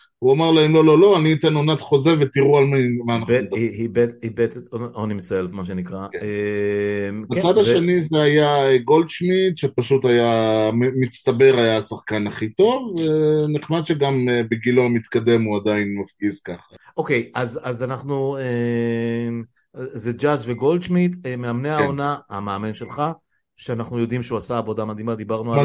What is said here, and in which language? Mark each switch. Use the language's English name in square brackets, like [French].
[Hebrew] הוא אמר להם, לא, לא, לא, אני אתן עונת חוזה ותראו על מה אנחנו מדברים. [English] He bet on himself, [Hebrew] מה שנקרא. הצד השני זה היה גולדשמיד, שפשוט היה, מצטבר, היה השחקן הכי טוב, ונחמד שגם בגילו המתקדם הוא עדיין מפגיז ככה. אוקיי, אז אנחנו, זה ג'אג' וגולדשמיד, מאמני העונה, המאמן שלך, שאנחנו יודעים שהוא עשה עבודה מדהימה, דיברנו עליו.